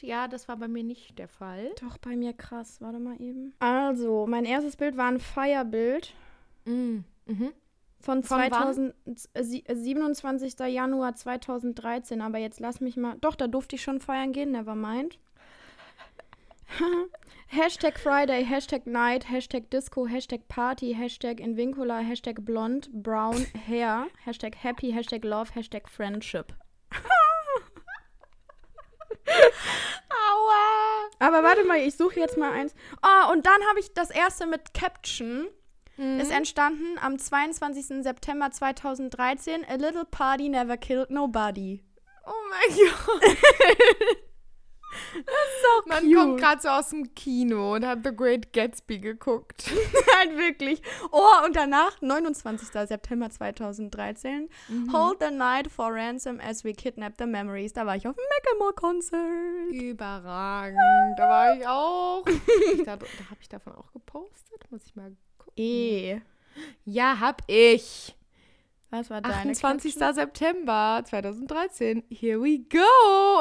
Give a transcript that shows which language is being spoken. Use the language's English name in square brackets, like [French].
[German] Ja, das war bei mir nicht der Fall. Doch, bei mir krass. Warte mal eben. Also, mein erstes Bild war ein Feierbild. Von 27. Januar 2013. Aber jetzt lass mich mal. Doch, da durfte ich schon feiern gehen. [English] Nevermind. Hashtag Friday, Hashtag Night, Hashtag Disco, Hashtag Party, Hashtag Invincula, Hashtag Blond, Brown, Hair, Hashtag Happy, Hashtag Love, Hashtag Friendship. [German] Aua! Aber warte mal, ich suche jetzt mal eins. Oh, und dann habe ich das erste mit Caption. Ist entstanden am 22. September 2013. [English] A little party never killed nobody. [German] Oh mein Gott. Das ist auch man cute. Kommt gerade so aus dem Kino und hat The Great Gatsby geguckt. Halt wirklich. Oh, und danach, 29. [English] September 2013, Hold the night for ransom as we kidnap the memories. [German] Da war ich auf dem Macklemore-Konzert. Überragend. Da war ich auch. da habe ich davon auch gepostet. Muss ich mal gucken. Ja, hab ich. Was war 28. Caption? [English] September 2013. Here we go.